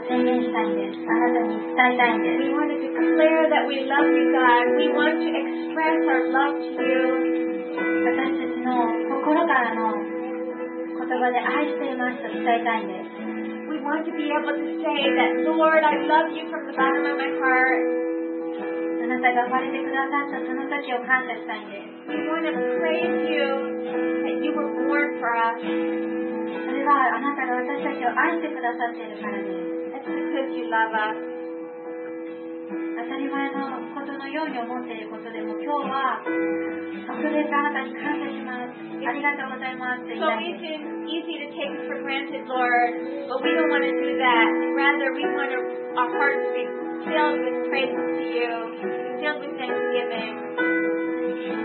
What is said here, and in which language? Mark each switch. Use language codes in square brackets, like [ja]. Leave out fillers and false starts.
[en] We want to declare that we love you, God. We want to express our love to you. [ja] 私たちの心からの言葉で愛していますと伝えたいんです。 [en] We want to be able to say that, Lord, I love you from the bottom of my heart. [ja] あなたが生まれてくださったその時を感謝したいんです。 [en] We want to praise you that you were born for us. [ja] それはあなたが私たちを愛してくださっているからです。 [en] It's because you love us. [ja] 当たり前のことのように思っていることでも今日は特別あなたに感謝します。ありがとうございます。 [en] So easy to take for granted, Lord, but we don't want to do that. Rather, we want our hearts to be filled with praises to you, filled with thanksgiving.